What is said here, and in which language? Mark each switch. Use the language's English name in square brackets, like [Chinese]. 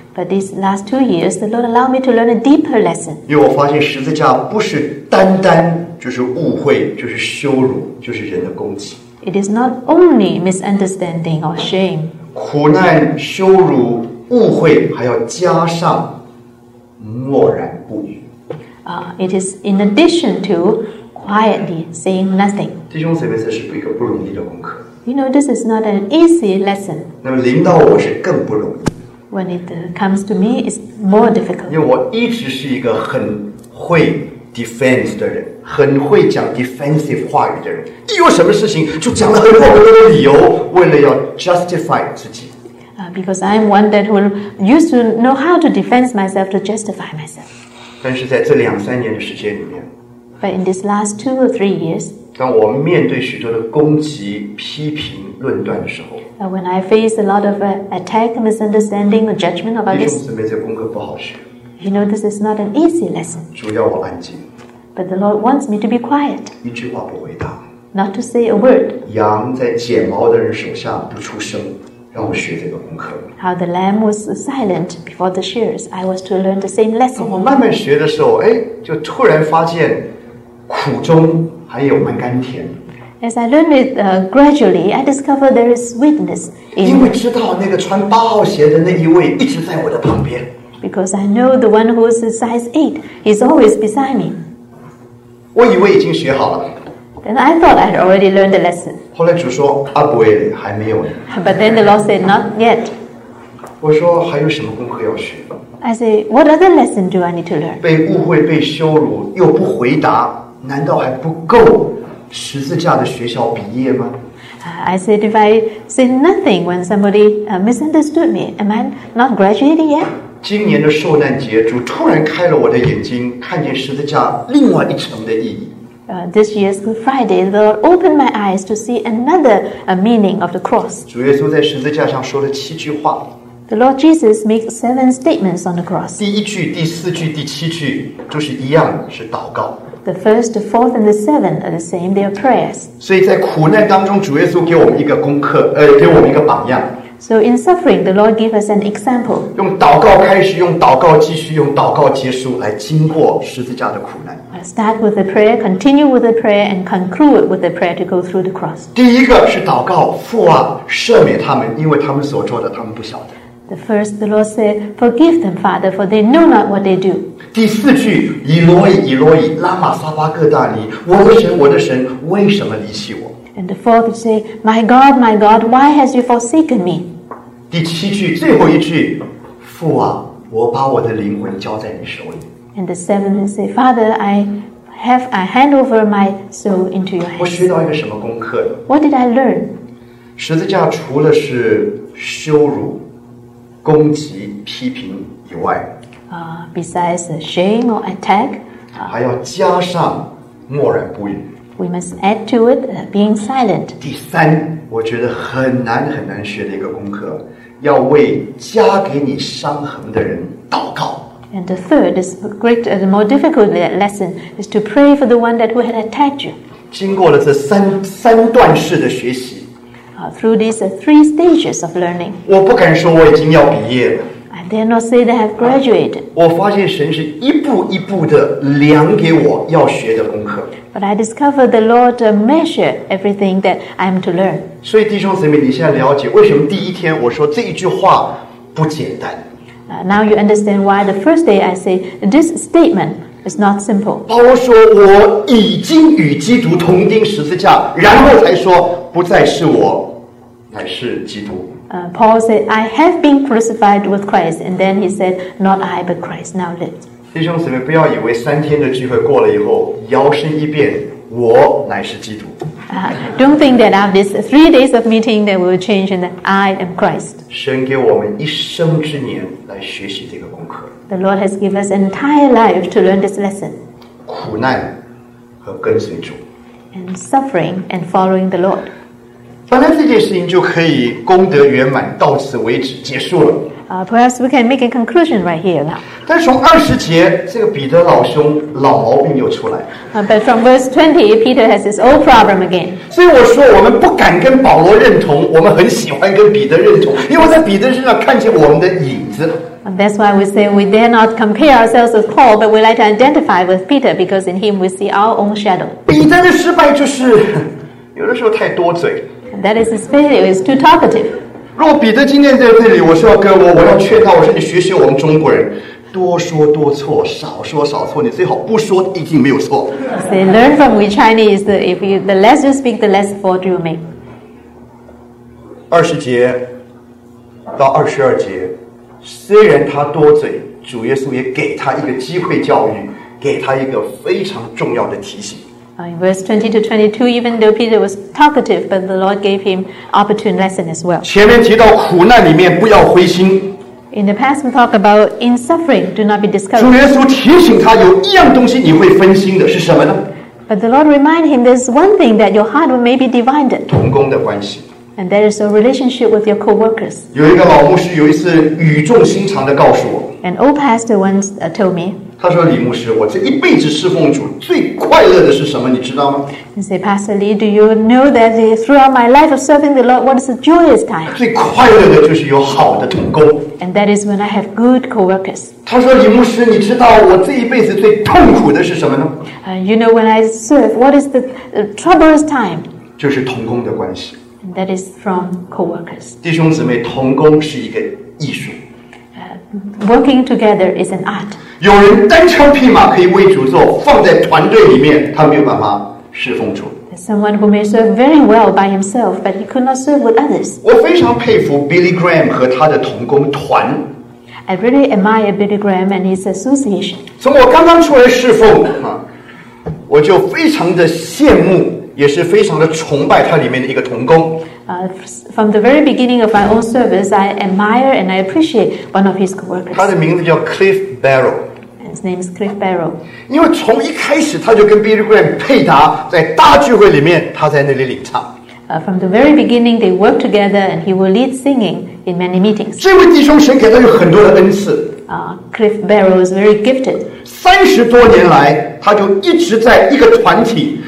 [English] But these last two years, the Lord allowed me to learn a deeper lesson. [Chinese] 因为我发现十字架不是单单就是误会，就是羞辱，就是人的攻击。 [English] It is not only misunderstanding or shame. [Chinese] 苦难、羞辱、误会，还要加上默然不语。 [English] It is in addition to quietly saying nothing. [Chinese] 弟兄姊妹，这是一个不容易的功课。 [English] You know, this is not an easy lesson. [Chinese] 那么临到我是更不容易。 [English] When it comes to me, it's more difficult. [Chinese] 因为我一直是一个很会 defense 的人，很会讲 defensive 话语的人。一有什么事情，就讲了很多很多的理由，为了要 justify 自己。 [English] Because I'm one that will used to know how to defend myself to justify myself. [Chinese] 但是在这两三年的时间里面 [English] ，But in these last two or three years. [Chinese] 当我面对许多的攻击、批评、论断的时候 [English] ，When I face a lot of attack, misunderstanding, or judgment of others, [Chinese] 弟兄姊妹，这功课不好学。 [English] You know, this is not an easy lesson. [Chinese] 主要我安静。 [English] But the Lord wants me to be quiet. [Chinese] 一句话不回答。 [English] Not to say a word. [Chinese] 羊在剪毛的人手下不出声。让我学这个功课。 [English] How the lamb was silent before the shears, I was to learn the same lesson. [Chinese] 我慢慢学的时候，哎，就突然发现苦中还有蛮甘甜。 [English] As I learned it gradually, I discovered there is sweetness in it. [Chinese] 因为知道那个穿八号鞋的那一位一直在我的旁边。 [English] Because I know the one who is size 8, he's always beside me. [Chinese] 我以为已经学好了。 [English] Then I thought I had already learned the lesson. [Chinese] 后来主说，阿伯耶，还没有呢。 [English] But then the Lord said, not yet. [Chinese] 我说，还有什么功课要学？ [English] I say, what other lesson do I need to learn? [Chinese] 被误会，被羞辱，又不回答，难道还不够十字架的学校毕业吗？ [English] I said, if I say nothing when somebody misunderstood me, am I not graduating yet? [Chinese] 今年的受难节，主突然开了我的眼睛，看见十字架另外一层的意义。 [English] This year's Good Friday, the Lord opened my eyes to see another meaning of the cross. [Chinese] 主耶稣在十字架上说了七句话。 [English] The Lord Jesus makes 7 statements on the cross. [Chinese] 第一句、第四句、第七句都是一样，是祷告。 [English] The first, the fourth, and the seventh are the same. They are prayers. [Chinese] 所以在苦难当中，主耶稣给我们一个功课，给我们一个榜样。 [English] So in suffering, the Lord gave us an example. [Chinese] 用祷告开始，用祷告继续，用祷告结束，来经过十字架的苦难。 [English] I start with a prayer, continue with a prayer, and conclude with a prayer to go through the cross. [Chinese] 第一个是祷告，父啊，赦免他们，因为他们所做的，他们不晓得。 [English] The first, the Lord said, "Forgive them, Father, for they know not what they do." [Chinese] 第四句，以罗伊，以罗伊，拉玛撒巴各大尼，我的神，我的神，为什么离弃我？ [English] And the fourth say, "My God, my God, why has you forsaken me?" [Chinese] 第七句，最后一句，父啊，我把我的灵魂交在你手里。 [English] And the seventh say, "Father, I hand over my soul into your hands." [Chinese] 我学到一个什么功课？ [English] What did I learn? [Chinese] 十字架除了是羞辱。攻击、批评以外， [English] besides shame or attack, [Chinese] 还要加上默然不语。 [English] We must add to it being silent. [Chinese] 第三，我觉得很难很难学的一个功课，要为加给你伤痕的人祷告。 [English] And the third is great, the more difficult lesson is to pray for the one that who had attacked you. [Chinese] 经过了这三段式的学习。 [English] Through these three stages of learning, [Chinese] 我不敢说我已经要毕业了。 [English] I dare not say that I have graduated. [Chinese] 我发现神是一步一步的量给我要学的功课。 [English] But I discovered the Lord measure everything that I am to learn. [Chinese] 所以弟兄姊妹，你现在了解为什么第一天我说这一句话不简单。 [English] Now you understand why the first day I say this statement is not simple. [Chinese] 保罗说我已经与基督同钉十字架，然后才说。不再是我，乃是基督。 [English] Paul said, "I have been crucified with Christ," and then he said, "Not I, but Christ now lives." [Chinese] 弟兄姊妹，不要以为三天的聚会过了以后，摇身一变，我乃是基督。 [English] Don't think that after this 3 days of meeting that will change, and that I am Christ. [Chinese] 神给我们一生之年来学习这个功课。 [English] The Lord has given us entire life to learn this lesson. [Chinese] 苦难和跟随主。 [English] And suffering and following the Lord. [Chinese] 本来这件事情就可以功德圆满，到此为止，结束了。 [English] Perhaps we can make a conclusion right here now. [Chinese] 但从二十节，这个彼得老兄老毛病又出来。 [English] But from verse 20, Peter has his old problem again. [Chinese] 所以我说，我们不敢跟保罗认同，我们很喜欢跟彼得认同，因为在彼得身上看见我们的影子。 [English] And that's why we say we dare not compare ourselves with Paul, but we like to identify with Peter because in him we see our own shadow. [Chinese] 彼得的失败就是有的时候太多嘴。 [English] And that is his failure, is too talkative. [Chinese] 如果彼得今天在这里，我说要跟我要劝他，我说你学学我们中国人，多说多错，少说少错，你最好不说，一定没有错。 [English] Say, learn from we Chinese that if you, the less you speak, the less fault you make. [Chinese] 二十节到二十二节。虽然他多嘴，主耶稣也给他一个机会教育，给他一个非常重要的提醒。 [English] In verse 20 to 22, even though Peter was talkative, but the Lord gave him opportune lesson as well. [Chinese] 前面提到苦难里面不要灰心。 [English] In the past, we talk about in suffering, do not be discouraged. [Chinese] 主耶稣提醒他有一样东西你会分心的是什么呢？ [English] But the Lord reminded him there's one thing that your heart will maybe divided. [Chinese] 同工的关系。 [English] And there is a relationship with your co-workers. [Chinese] 有一个老牧师有一次语重心长地告诉我。 [English] an old pastor once told me. [Chinese] 他说李牧师，我这一辈子侍奉主最快乐的是什么？你知道吗？ [English] He said, Pastor Lee, do you know that throughout my life of serving the Lord, what is the joyous time? [Chinese] 最快乐的就是有好的同工。 [English] And that is when I have good co-workers. [Chinese] 他说李牧师，你知道我这一辈子最痛苦的是什么呢？ [English] You know, when I serve, what is the troublous time? [Chinese] 就是同工的关系。 [English] And that is from co-workers. [Chinese] 弟兄姊妹，同工是一个艺术。 [English] Working together is an art. [Chinese] 有人单枪匹马可以为主做，放在团队里面，他没有办法侍奉主。 [English] Someone who may serve very well by himself, but he could not serve with others. [Chinese] 我非常佩服 Billy Graham 和他的同工团。 [English] I really admire Billy Graham and his association. [Chinese] 从我刚刚出来侍奉，我就非常的羡慕，也是非常的崇拜他里面的一个同工。 [English] From the very beginning of my own service, I admire and I appreciate one of his co-workers. [Chinese] 他的名字叫 Cliff Barrow. [English] His name is Cliff Barrow. [Chinese] 因为从一开始他就跟 Billy Graham 配搭，在大聚会里面，他在那里领唱。 [English] From the very beginning, they work together, and he will lead singing in many meetings. [Chinese] 这位弟兄神给他有很多的恩赐。 [English] Cliff Barrow is very gifted. [Chinese] 三十多年来，他就一直在一个团体。